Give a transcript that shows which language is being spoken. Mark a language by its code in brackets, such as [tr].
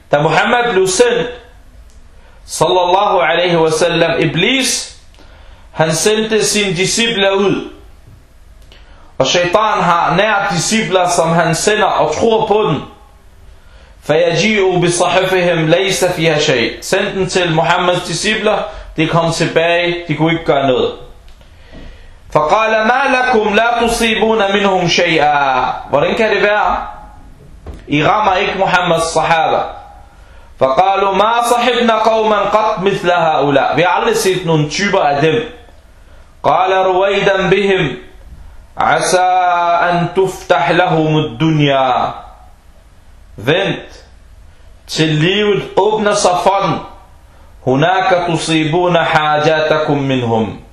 [da] Da Muhammad blev sendt, sallallahu alaihi wa sallam, Iblis, han sendte sin disciple ud. Og shaitan har nært discipler, som han sender og tror på dem. [ar] فَيَجِيُوا بِصَحِفِهِمْ لَيْسَ فِيهَ شَيْءٍ. [da] Send den til Muhammeds discipler, de kom tilbage, de kunne ikke gøre noget. [ar] فقال ما لكم لا تصيبون منهم شيئا. [da] Hvordan kan det være? I rammer ikke Muhammeds sahaba. [ar] فقالوا ما صحبنا قوما قط مثل هؤلاء. [da] Vi har aldrig set nogen typer af dem. [ar] قال رويدا بهم عسى أن تفتح لهم الدنيا. [da] Vent til livet åbner sig for dem. [ar] هناك تصيبون حاجاتكم منهم.